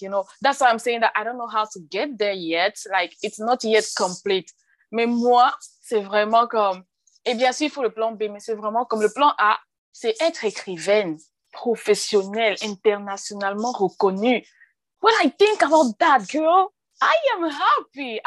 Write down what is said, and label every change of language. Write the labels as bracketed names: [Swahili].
[English] You know, that's why I'm saying that I don't know how to get there yet. Like, it's not yet complete. [French] Mais moi, c'est vraiment comme. Et bien sûr, il faut le plan B, mais c'est vraiment comme le plan A, c'est être écrivaine, professionnelle, internationalement reconnue. [English] When I think about that, girl, I am happy.